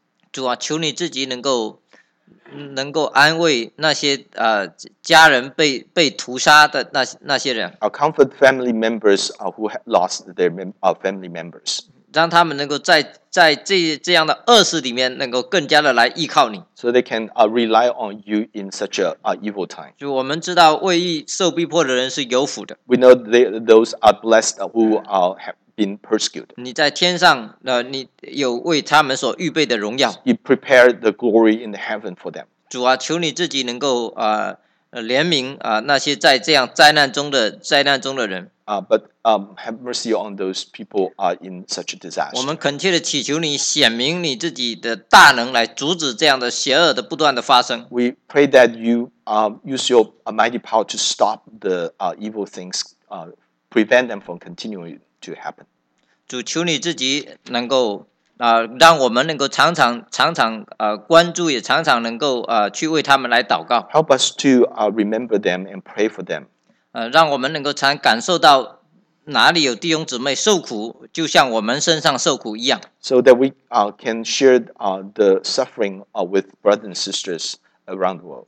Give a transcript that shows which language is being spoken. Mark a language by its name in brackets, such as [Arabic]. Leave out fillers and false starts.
[Chinese] 主啊，求你自己能够安慰那些家人被屠杀的那些人。 [English] Comfort family members who have lost their family members. [Chinese] 让他们能够在这样的恶事里面能够更加的来依靠你。 [English] So they can rely on you in such a evil time. [Chinese] 就我们知道为义受逼迫的人是有福的。 [English] We know those are blessed who have been persecuted. [Chinese] 你在天上你有为他们所预备的荣耀。 [English] You prepare the glory in the heaven for them. [Chinese] 主啊，求你自己能够怜悯那些在这样灾难中的人。 [English] But have mercy on those people in such a disaster. [Chinese] 我们恳切的祈求你显明你自己的大能来阻止这样的邪恶的不断的发生。 [English] We pray that you use your mighty power to stop the evil things, prevent them from continuing to happen. [Chinese] 主，求你自己能够让我们能够常常关注，也常常能够去为他们来祷告。 [English] Help us to remember them and pray for them. [Chinese] 让我们能够常感受到哪里有弟兄姊妹受苦，就像我们身上受苦一样。 [English] So that we can share the suffering with brothers and sisters around the world.